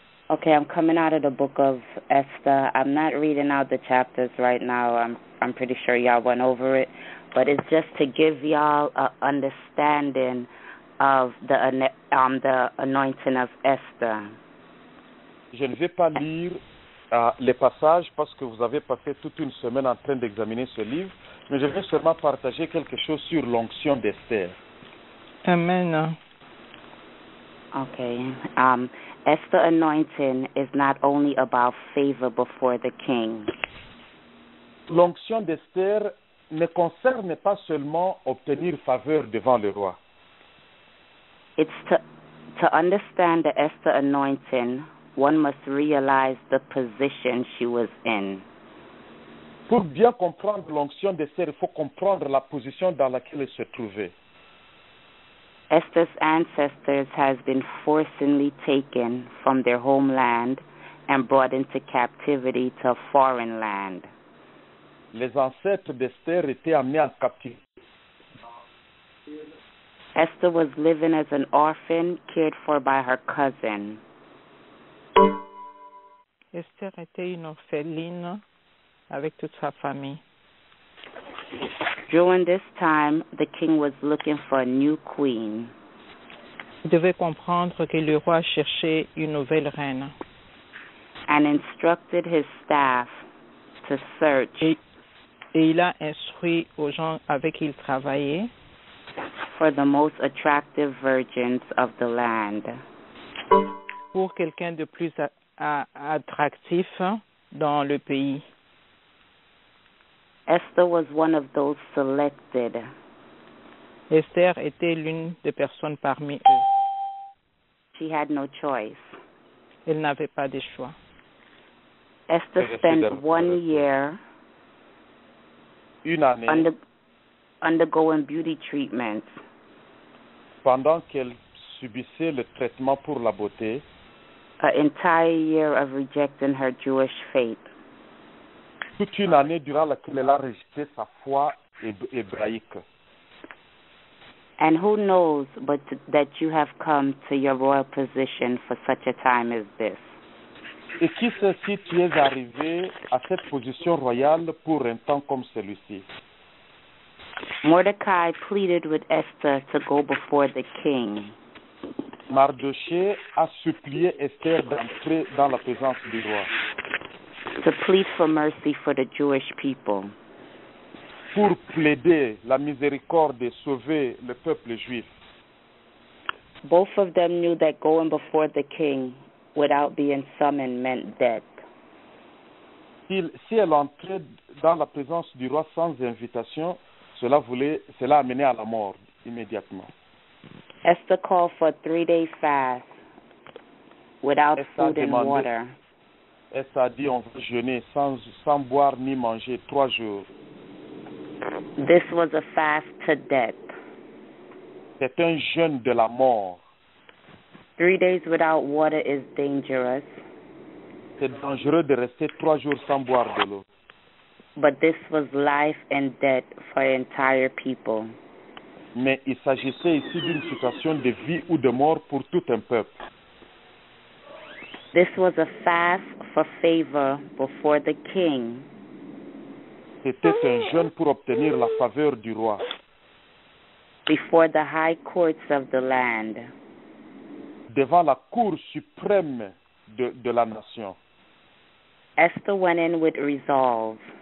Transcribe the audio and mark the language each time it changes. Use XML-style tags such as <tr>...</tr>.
<en>Okay, I'm coming out of the book of Esther. I'm not reading out the chapters right now. I'm pretty sure y'all went over it. But it's just to give y'all an understanding of the anointing of Esther.</en> <fr>Je ne vais pas lire les passages parce que vous avez passé toute une semaine en train d'examiner ce livre. Mais je vais seulement partager quelque chose sur l'onction d'Esther. Amen.</fr> <en>Okay. Esther anointing is not only about favor before the king.</en> <fr>L'onction d'Esther ne concerne pas seulement obtenir faveur devant le roi.</fr> <en>It's to understand the Esther anointing, one must realize the position she was in.</en> <fr>Pour bien comprendre l'onction d'Esther, il faut comprendre la position dans laquelle elle se trouvait.</fr> <en>Esther's ancestors has been forcibly taken from their homeland and brought into captivity to a foreign land.</en> <fr>Les ancêtres d'Esther étaient amenés en captivité.</fr> <en>Esther was living as an orphan cared for by her cousin.</en> <fr>Esther était une orpheline avec toute sa famille.</fr> <en>During this time, the king was looking for a new queen.</en> <fr>Il devait comprendre que le roi cherchait une nouvelle reine.</fr> <en>And instructed his staff to search.</en> <fr>Et il a instruit aux gens avec qui il travaillait.</fr> <en>For the most attractive virgins of the land.</en> <fr>Pour quelqu'un de plus attractif dans le pays.</fr> <en>Esther was one of those selected.</en> <fr>Esther était l'une des personnes parmi eux.</fr> <en>She had no choice.</en> <fr>Elle n'avait pas de choix.</fr> <en>Esther spent 1 year undergoing beauty treatment.</en> <fr>Pendant qu'elle subissait le traitement pour la beauté,</fr> <en>an entire year of rejecting her Jewish faith.</en> <fr>Toute une année durant laquelle elle a rejeté sa foi hébraïque.</fr> <en>And who knows but that you have come to your royal position for such a time as this?</en> <fr>Et qui sait si tu es arrivé à cette position royale pour un temps comme celui-ci?</fr> <en>Mordecai pleaded with Esther to go before the king.</en> <fr>Mardoché a supplié Esther d'entrer dans la présence du roi.</fr> <en>To plead for mercy for the Jewish people.</en> <fr>Pour plaider la miséricorde et sauver le peuple juif.</fr> <en>Both of them knew that going before the king without being summoned meant death.</en> <fr>Si elle entrait dans la présence du roi sans invitation, cela amenait à la mort immédiatement.</fr> <en>Esther called for a 3-day fast without food and water.</en> <fr>Esther a dit, on va jeûner sans boire ni manger 3 jours.</fr> <en>This was a fast to death.</en> <fr>C'est un jeûne de la mort.</fr> <en>3 days without water is dangerous.</en> <fr>C'est dangereux de rester 3 jours sans boire de l'eau.</fr> <en>But this was life and death for an entire people.</en> <fr>Mais il s'agissait ici d'une situation de vie ou de mort pour tout un peuple.</fr> <en>This was a fast for favor before the king.</en> <fr>C'était un jeûne pour obtenir la faveur du roi.</fr> <en>Before the high courts of the land.</en> <fr>Devant la cour suprême de la nation.</fr> <en>Esther went in with resolve.</en>